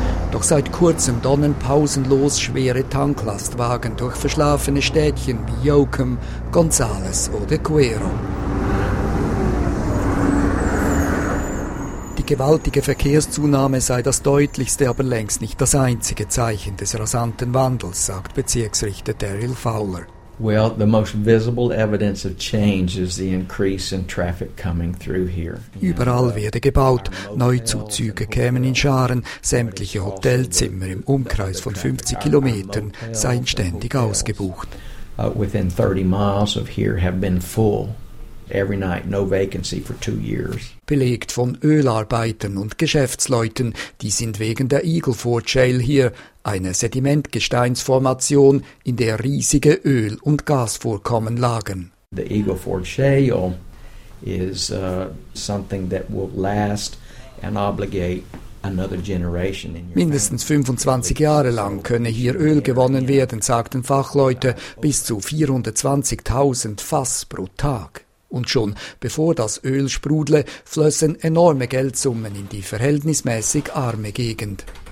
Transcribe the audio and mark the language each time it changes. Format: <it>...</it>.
<de>Doch seit kurzem donnern pausenlos schwere Tanklastwagen durch verschlafene Städtchen wie Yoakum, Gonzales oder Cuero. Die gewaltige Verkehrszunahme sei das deutlichste, aber längst nicht das einzige Zeichen des rasanten Wandels, sagt Bezirksrichter Daryl Fowler.</de> <en>Well, the most visible evidence of change is the increase in traffic coming through here.</en> <de>Überall werde gebaut, Neuzuzüge kämen in Scharen, sämtliche Hotelzimmer im Umkreis von 50 Kilometern seien ständig ausgebucht.</de> <en>Within 30 miles of here have been full. Every night, no vacancy for 2 years.</en> <de>Belegt von Ölarbeitern und Geschäftsleuten, die sind wegen der Eagle Ford Shale hier, eine Sedimentgesteinsformation, in der riesige Öl- und Gasvorkommen lagen.</de> <en>The Eagle Ford Shale is something that will last and obligate.</en> <de>Mindestens 25 Jahre lang könne hier Öl gewonnen werden, sagten Fachleute, bis zu 420.000 Fass pro Tag. Und schon bevor das Öl sprudle, flössen enorme Geldsummen in die verhältnismäßig arme Gegend.</de>